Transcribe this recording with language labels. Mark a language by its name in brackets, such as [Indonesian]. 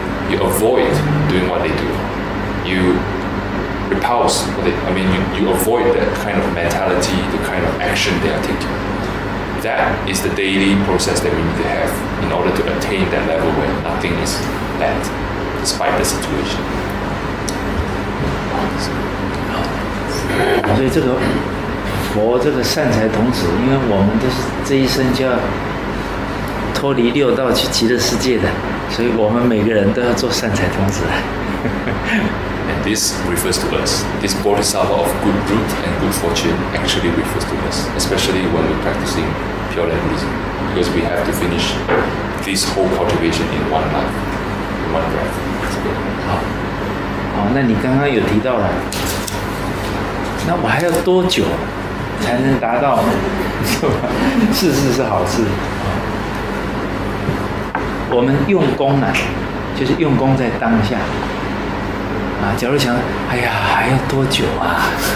[English] You avoid doing what they do. You repulse what they, I mean, you avoid that kind of mentality, the kind of action they are taking. That is the daily process that we need to have in order to attain that level where nothing is bad, despite the situation. [Chinese] So, 佛这个善财童子，因为我们都是这一生就要脱离六道去极乐世界的，所以我们每个人都要做善财童子。 [English] And this refers to us. This bodhisattva of good root and good fortune actually refers to us, especially when we're practicing Pure Land Buddhism, because we have to finish this whole cultivation in one life, in one breath. [Chinese] 好，那你刚刚有提到了，那我还要多久才能达到，是吧？事事是好事。我们用功呢，就是用功在当下。啊，假如想，哎呀，还要多久啊？